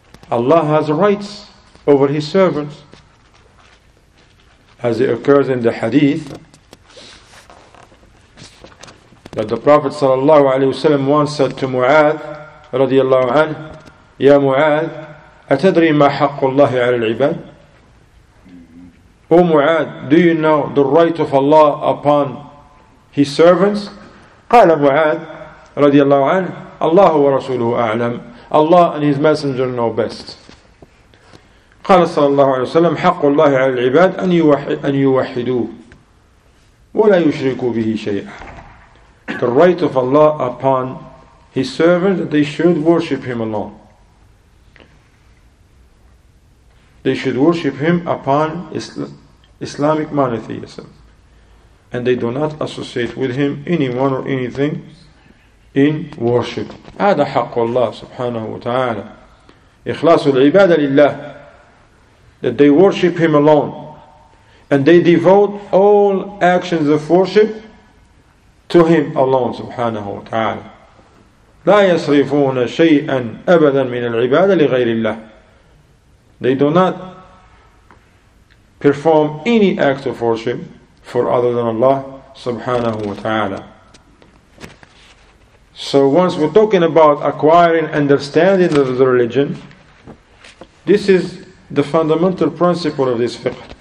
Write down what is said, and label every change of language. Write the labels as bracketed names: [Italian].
[English] Allah has rights over His servants, as it occurs in the hadith that the Prophet sallallahu alaihi wasallam once said to Mu'adh radiyallahu anhu: [Arabic] Ya Mu'adh, atadri ma haqqullahi ala al-ibad? [English] O Mu'ad, do you know the right of Allah upon His servants? [Arabic] قال Mu'ad رضي الله عنه الله ورسوله أعلم. [English] Allah and His Messenger know best. [Arabic] قال صلى الله عليه وسلم حق الله على العباد أن يوحدوه ولا يشركوا به شيئا. [English] The right of Allah upon His servants that they should worship Him alone. They should worship Him upon Islamic monotheism. And they do not associate with Him anyone or anything in worship. [Arabic] هذا حق الله سبحانه وتعالى. إخلاص العبادة لله. [English] That they worship Him alone. And they devote all actions of worship to Him alone [Arabic] سبحانه وتعالى. لا يصرفون شيئا أبدا من العبادة لغير الله. [English] They do not perform any act of worship for other than Allah subhanahu wa ta'ala. So once we're talking about acquiring understanding of the religion, this is the fundamental principle of this fiqh.